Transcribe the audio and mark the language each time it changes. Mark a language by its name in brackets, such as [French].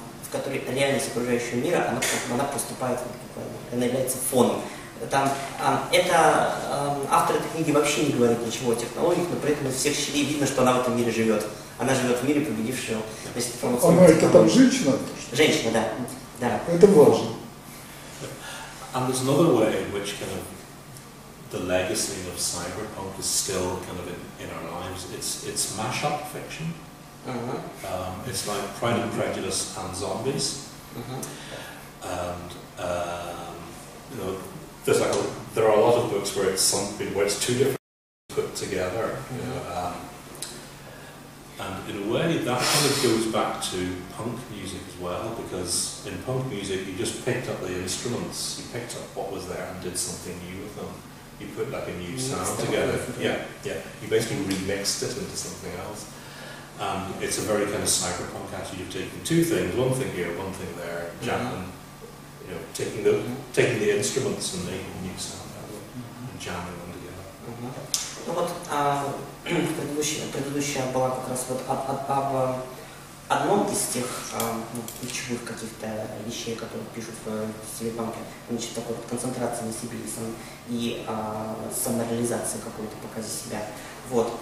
[Russian] которой реальность окружающего мира, она поступает, она является фоном. Там, это автор этой книги вообще не говорит ничего о технологиях, но при этом из всех щелей видно, что она в этом мире живет. Она живет в мире, победившего. То есть, она это там женщина? Женщина, да. Да. Это важно. [English] And there's another way in which kind of the legacy of cyberpunk is still kind of in our lives. It's mashup fiction. Mm-hmm. It's like Pride and Prejudice and zombies. Mm-hmm. And you know, there's like there are a lot of books where it's something where it's two different things put together. Mm-hmm. And in a way, that kind of goes back to punk music as well, because in punk music, you just picked up the instruments, you picked up what was there and did something new with them. You put like a new sound together. Yeah. You basically remixed it into something else. And it's a very kind of cyberpunk attitude of taking two things, one thing here, one thing there, jamming, you know, taking the instruments and making a new sound out of it, and jamming them together. [Russian] Ну вот, предыдущая была как раз вот об одном из тех ключевых каких-то вещей, которые пишут в стилепанке, значит, такой вот концентрации на себе и самореализации какой-то показе себя. Вот.